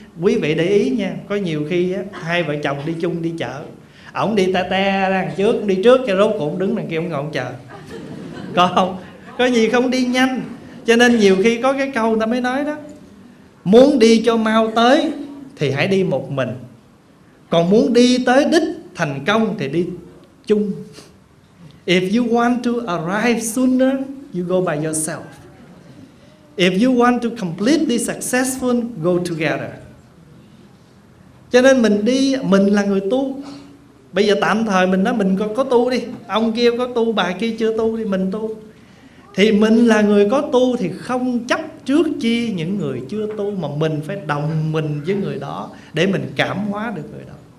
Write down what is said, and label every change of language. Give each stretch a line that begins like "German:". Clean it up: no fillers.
Vietnamese: Quý vị để ý nha, có nhiều khi á, hai vợ chồng đi chung đi chợ, ổng đi ta te đằng trước, đi trước cho rốt cuộc đứng đằng kia ổng ngọn chờ. Có không? Có gì không đi nhanh. Cho nên nhiều khi có cái câu người ta mới nói đó: muốn đi cho mau tới thì hãy đi một mình, còn muốn đi tới đích thành công thì đi chung.
English: If you want to arrive sooner, you go by yourself. If you want to completely successful, go together.
Vietnamese: Cho nên mình đi, mình là người tu. Bây giờ tạm thời mình nói mình có tu đi, ông kia có tu, bà kia chưa tu thì mình tu. Thì mình là người có tu thì không chấp trước chi những người chưa tu, mà mình phải đồng mình với người đó để mình cảm hóa được người đó.